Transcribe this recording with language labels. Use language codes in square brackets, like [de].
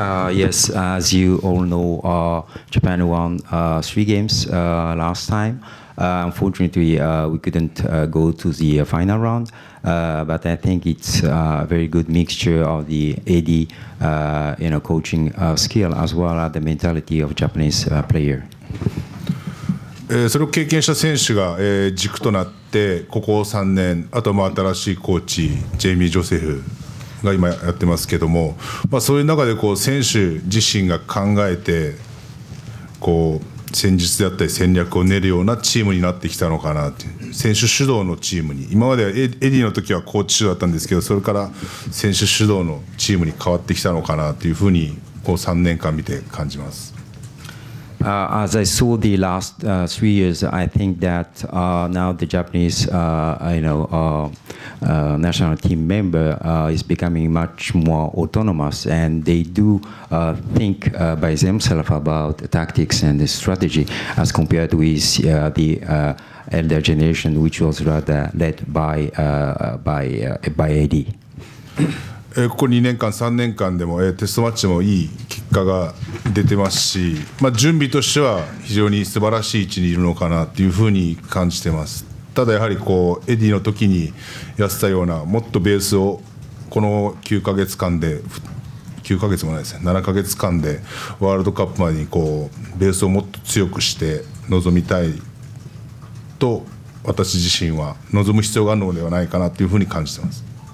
[en] Yes, as you all know, Japan won three games last time. Unfortunately, we couldn't go to the final round. But I think it's a very good mixture of the AD, you know, coaching skill as well as the mentality of Japanese player. [ja] それを経験した選手が軸となってここ3年、あとまあ新しいコーチジェイミー・ジョセフが今やってますけども、まあ、そういう中でこう選手自身が考えてこう戦術であったり戦略を練るようなチームになってきたのかなという、選手主導のチームに、今まではエディの時はコーチ主導だったんですけど、それから選手主導のチームに変わってきたのかなというふうにこう3年間見て感じます。 [en] As I saw the last three years, I think that now the Japanese, national team member is becoming much more autonomous, and they do think by themselves about tactics and the strategy, as compared with the elder generation, which was rather led by AD. [ja] ここ2年間3年間でもテストマッチもいい結果が出てますし、まあ、準備としては非常に素晴らしい位置にいるのかなというふうに感じてます。ただやはりこうエディの時にやったようなもっとベースをこの9ヶ月間で9ヶ月もないですね7ヶ月間でワールドカップまでにこうベースをもっと強くして臨みたいと私自身は臨む必要があるのではないかなというふうに感じてます。